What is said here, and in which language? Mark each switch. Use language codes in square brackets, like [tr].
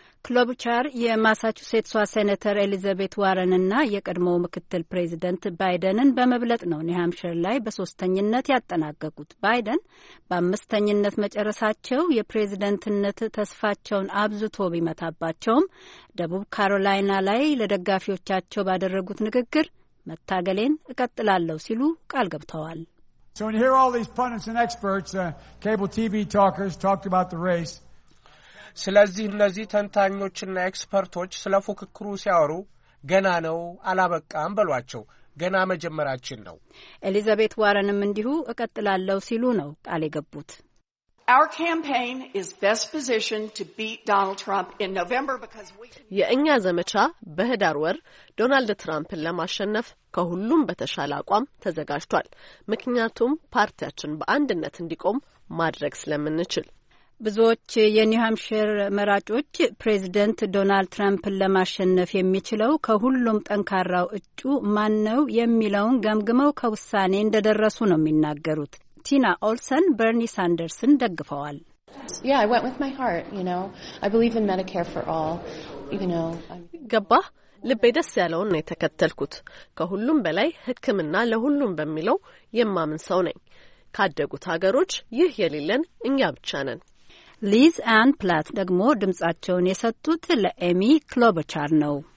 [am] ክሎብቻር የማሳቹሴትሷ ሴኔተር ኤሊዛቤት ዋረንና የቀድሞው ምክትል ፕሬዚደንት ባይደንን በመብለጥ ነው ኒውሃምሽር ላይ በሶስተኝነት ያጠናቀቁት። ባይደን በአምስተኝነት መጨረሳቸው የፕሬዚደንትነት ተስፋቸውን አብዝቶ ቢመታባቸውም ደቡብ ካሮላይና ላይ ለደጋፊዎቻቸው ባደረጉት ንግግር መታገሌን እቀጥላለሁ ሲሉ ቃል ገብተዋል። [en] So when you hear all these pundits and experts, cable TV talkers talked about the race. [am] ስለዚህ እነዚህ ተንታኞችና ኤክስፐርቶች ስለ ፉክክሩ ሲያወሩ ገና ነው አላበቃም ብሏቸው ገና መጀመራችን ነው። ኤሊዛቤት ዋረንም እንዲሁ እቀጥላለሁ ሲሉ ነው ቃል የገቡት። [en] Our campaign is best positioned to beat Donald Trump in November because we [am] የእኛ ዘመቻ በህዳር ወር ዶናልድ ትራምፕን ለማሸነፍ ከሁሉም በተሻለ አቋም ተዘጋጅቷል። ምክንያቱም ፓርቲያችን በአንድነት እንዲቆም ማድረግ ስለምንችል። ብዙዎች የኒውሃምሽር መራጮች ፕሬዚደንት ዶናልድ ትራምፕን ለማሸነፍ የሚችለው ከሁሉም ጠንካራው እጩ ማን ነው የሚለውን ገምግመው ከውሳኔ እንደደረሱ ነው የሚናገሩት። ቲና ኦልሰን በርኒ ሳንደርስን ደግፈዋል። [en] Yeah, I went with my heart, you know. I believe in Medicare for all, you know. [am] ገባ ልቤ ደስ ያለውን ነው የተከተልኩት። ከሁሉም በላይ ሕክምና ለሁሉም በሚለው የማምን ሰው ነኝ። ካደጉት ሀገሮች ይህ የሌለን እኛ ብቻ ነን። ሊዝ አን ፕላት ደግሞ ድምጻቸውን የሰጡት ለኤሚ ክሎብቻር ነው።